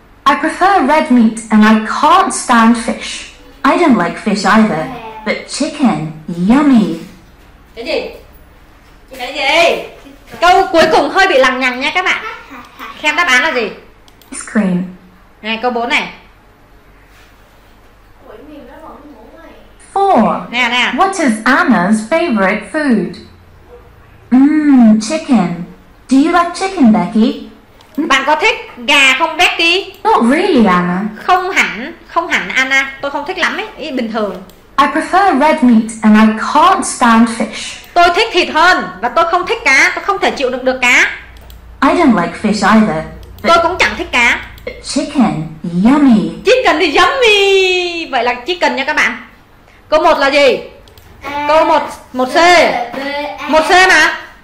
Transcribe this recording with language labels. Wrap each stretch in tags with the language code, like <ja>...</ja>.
<en>I prefer red meat and I can't stand fish. I don't like fish either, but chicken, yummy.</en> <vi>Cái gì? Cái gì? Câu cuối cùng hơi bị lằng nhằng nha các bạn. Xem đáp án là gì?</vi> <en>Ice cream.</en> <vi>Này, câu 4 này.</vi> <en>Four.</en> <vi>Nè.</vi> <en>What is Anna's favorite food? Chicken. Do you like chicken, Becky?</en> <vi>Bạn có thích gà không, Becky?</vi> <en>Not really, Anna.</en> <vi>Không hẳn, Anna. Tôi không thích lắm ấy, bình thường.</vi> <en>I prefer red meat and I can't stand fish.</en> <vi>Tôi thích thịt hơn và tôi không thích cá. Tôi không thể chịu được cá.</vi> <en>I don't like fish either.</en> <vi>Tôi cũng chẳng thích cá.</vi> <en>Chicken, yummy. Chicken thì yummy.</en> <vi>Vậy là chicken nha các bạn. Câu 1 là gì? Câu 1, 1C. 1C mà.</vi>